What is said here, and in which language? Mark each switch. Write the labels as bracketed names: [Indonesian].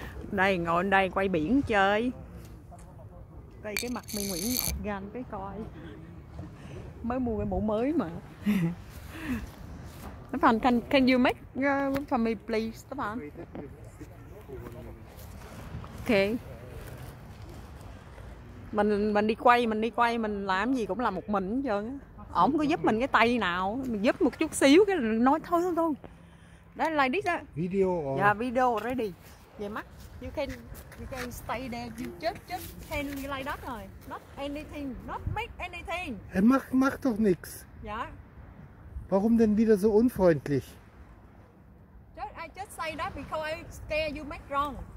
[Vietnamese] Đây, ngồi đây quay biển chơi. Đây cái mặt mình Nguyễn Ngọc Gan cái coi. Mới mua cái mũ mới mà. [English] Stefan, can you make for me please, Stefan? Okay. [Vietnamese] Mình đi quay mình làm gì cũng là một mình hết trơn á. Ổng có giúp mình cái tay nào, mình giúp một chút xíu cái nói thôi. Đây là [English] like this [Vietnamese] á. [English] Video. [Vietnamese] Dạ [English] video ready. [Vietnamese] về mắt. [English] You can stay there, you just can like that rồi. Not anything, not make anything. [German] Er macht doch nichts. Ja. Warum denn wieder so unfreundlich? [English] I just say that because I scare you make wrong.